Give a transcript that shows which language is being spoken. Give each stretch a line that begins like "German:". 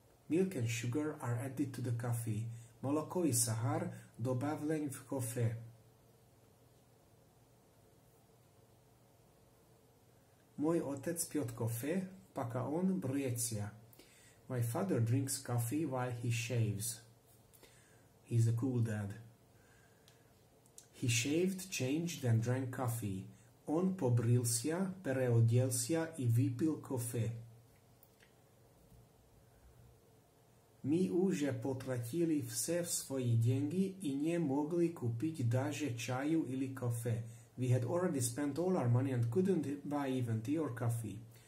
English: Milk and sugar are added to the coffee.
Russian: Молоко и сахар добавлен в кофе. Мой отец пьет кофе, пока он бреется.
English: My father drinks coffee while he shaves. He's a cool dad. He shaved, changed and drank coffee.
Russian: Он побрился, переоделся и выпил кофе. Мы уже потратили все свои деньги и не могли купить даже чаю или кофе.
English: We had already spent all our money and couldn't buy even tea or coffee.